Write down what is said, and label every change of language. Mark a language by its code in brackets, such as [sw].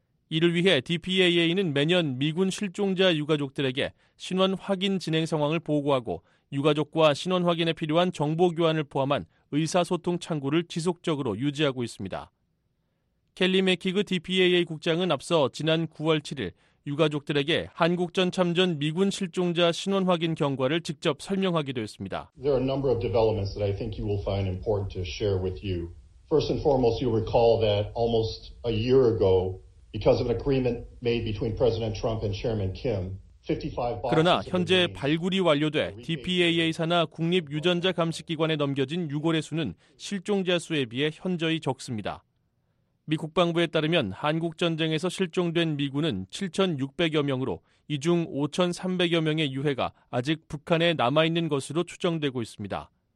[ko] 이를 위해 DPAA는 매년 미군 실종자 유가족들에게 신원 확인 진행 상황을 보고하고 유가족과 신원 확인에 필요한 정보 교환을 포함한 의사소통 창구를 지속적으로 유지하고 있습니다. 켈리 맥히그 DPAA 국장은 앞서 지난 9월 7일 유가족들에게 한국전 참전 미군 실종자 신원 확인 경과를 직접 설명하기도 했습니다. [en] There are a number of developments that I think you will find important to share with you. First and foremost, you'll recall that almost a year ago, because of an agreement made between President Trump and Chairman Kim, [ko] 그러나 현재 발굴이 완료돼 DPAA 산하 국립유전자감식기관에 넘겨진 유골의 수는 실종자 수에 비해 현저히 적습니다. 미 국방부에 따르면 한국전쟁에서 실종된 미군은 7,600여 명으로 이 중 5,300여 명의 유해가 아직 북한에 남아있는 것으로 추정되고 있습니다.